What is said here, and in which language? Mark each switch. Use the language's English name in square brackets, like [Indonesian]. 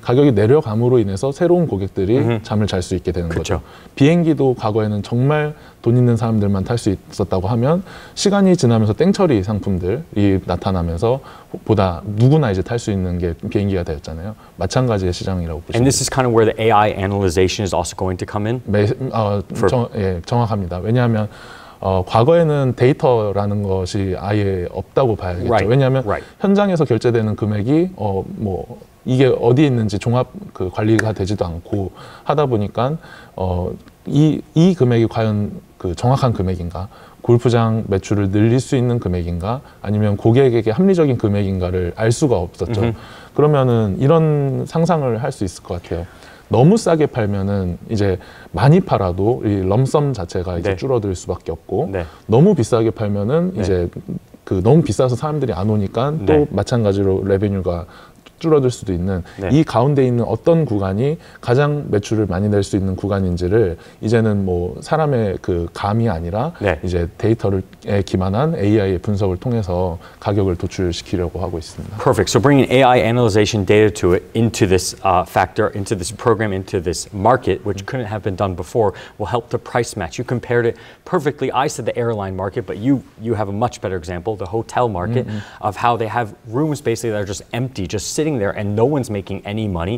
[Korean] 가격이 내려감으로 인해서 새로운 고객들이 음흠. 잠을 잘 수 있게 되는 그쵸. 거죠. 비행기도 과거에는 정말 돈 있는 사람들만 탈 수 있었다고 하면 시간이 지나면서 땡처리 상품들이 나타나면서 보다 누구나 이제 탈 수 있는 게 비행기가 되었잖아요. 마찬가지의 시장이라고 보시면 [English] And this is kind of where the AI analyzation is also going to come in? [Korean] 예, 정확합니다. 왜냐하면 과거에는 데이터라는 것이 아예 없다고 봐야겠죠. [English] Right. [Korean] 왜냐하면 [English] right. [Korean] 현장에서 결제되는 금액이 뭐 이게 어디 있는지 종합 그 관리가 되지도 않고 하다 보니까 이 금액이 과연 그 정확한 금액인가? 골프장 매출을 늘릴 수 있는 금액인가? 아니면 고객에게 합리적인 금액인가를 알 수가 없었죠. Mm-hmm. 그러면은 이런 상상을 할 수 있을 것 같아요. 너무 싸게 팔면은 이제 많이 팔아도 이 럼썸 자체가 이제 네. 줄어들 수밖에 없고 네. 너무 비싸게 팔면은 네. 이제 그 너무 비싸서 사람들이 안 오니까 네. 또 마찬가지로 레베뉴가 줄어들 수도 있는 네. 이 가운데 있는 어떤 구간이 가장 매출을 많이 낼 수 있는 구간인지를 이제는 뭐 사람의 그 감이 아니라 네. 이제 데이터를 기반한 AI의 분석을 통해서 가격을 도출시키려고 하고 있습니다. [English] Perfect. So bringing AI analyzation data to it into this factor, into this program, into this market, which couldn't have been done before, will help the price match. You compared it perfectly. I said the airline market, but you have a much better example, the hotel market, mm-hmm. of how they have rooms basically that are just empty, just sitting there and no one's making any money